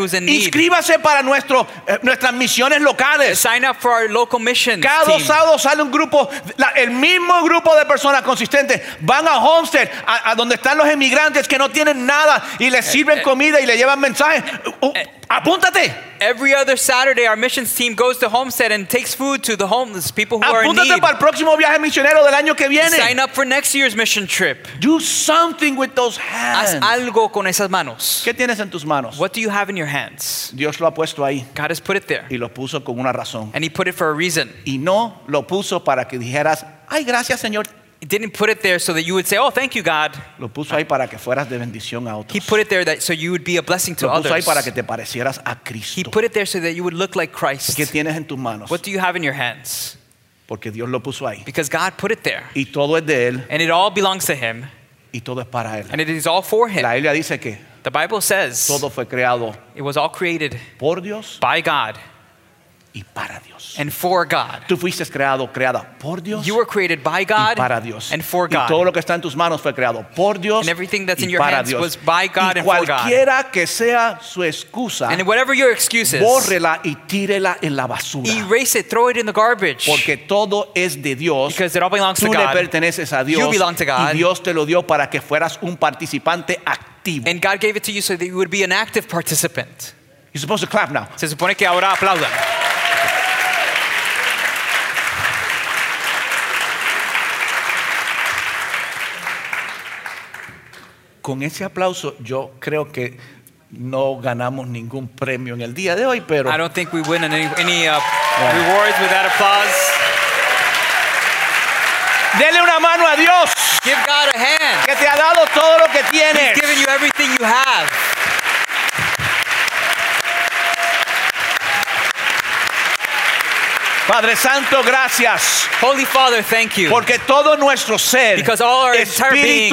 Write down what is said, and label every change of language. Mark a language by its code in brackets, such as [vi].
[en] who's in need. [es] Inscríbase para nuestras misiones locales. [en] Sign up for our local mission. [es] Cada sábado sale un grupo, el mismo grupo de personas consistentes van a Homestead, a donde están los emigrantes que no tienen nada y les sirven comida y le llevan mensajes. Apúntate. [en] Every other Saturday, our missions team goes to Homestead and takes food to the homeless people who [es] Apúntate para el próximo viaje misionero del año que viene. [en] Sign up for next year's mission trip. Do something with those hands. [es] Haz algo con esas manos. ¿Qué tienes en tus manos? [en] What do you have in your hands? [es] Dios lo ha puesto ahí. [en] God has put it there. [es] Y lo puso con una razón. [en] And he put it for a reason. [es] Y no lo puso para que dijeras, ay, gracias, Señor. [en] He didn't put it there so that you would say, oh, thank you, God. [es] Lo puso ahí para que fueras de bendición a otros. [en] He put it there that so you would be a blessing to [es] Lo puso [en] others. [es] Ahí para que te parecieras a Cristo. [en] He put it there so that you would look like Christ. [es] ¿Qué tienes en tus manos? [en] What do you have in your hands? [es] Porque Dios lo puso ahí. [en] Because God put it there. [es] Y todo es de él. [en] And it all belongs to him. [es] Y todo es para él. [en] And it is all for him. [es] La Biblia dice que [en] the Bible says [es] todo fue creado [en] it was all created [es] por Dios. [en] By God. [es] Y para Dios. [en] And for God. [es] Tú fuiste creado, creada por Dios. [en] You were created by God. [es] Y para Dios. [en] And for God. [es] Y todo lo que está en tus manos fue creado por Dios. [en] And everything that's [es] y [en] in your hands [es] Dios. [en] Was by God [es] y cualquiera [en] and for God. [es] Cualquiera que sea su excusa. [en] And whatever your excuse is. [es] Bórrela y tírela en la basura. [en] Erase it, throw it in the garbage. [es] Porque todo es de Dios. [en] Because it all belongs [es] Tú [en] to God. [es] Tú le perteneces a Dios. [en] You belong to God. [es] Y Dios te lo dio para que fueras un participante activo. [en] And God gave it to you so that you would be an active participant. You're supposed to clap now. [es] Se supone que ahora aplaudan. Con ese aplauso, yo creo que No ganamos ningún premio en el día de hoy, pero [en] I don't think we win any rewards with that applause. [es] Dele una mano a Dios. [en] Give God a hand. [es] Que te ha dado todo lo que tienes. [en] He's given you everything you have. [es] Padre Santo, gracias. [en] Holy Father, thank you. [es] Porque todo nuestro ser, [en] because all our entire being,